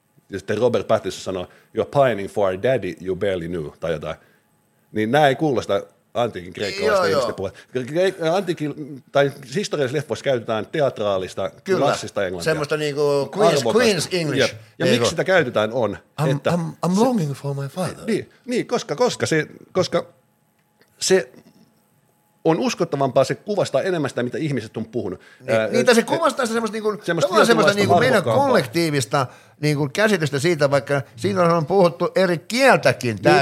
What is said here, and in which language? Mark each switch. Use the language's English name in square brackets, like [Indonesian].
[Finnish] Ja sitten Robert Pattinson sanoo, [English] you're pining for a daddy you barely knew, [Finnish] tai jotain. Niin nämä ei kuulosta antiikin kreikkalaista ihmistä puhetta. Antiikin, tai historiallisessa leffoissa käytetään teatraalista, klassista englantia. Semmoista niin kuin Queen's English. Ja niin miksi sitä käytetään on? [English] I'm longing for my father. [Finnish] Niin koska se on uskottavampaa, se kuvastaa enemmän sitä, mitä ihmiset on puhunut. Se kuvastaa sitä semmoista niin kuin meidän kollektiivista niin kuin käsitystä siitä, vaikka siinä on puhuttu eri kieltäkin täysin.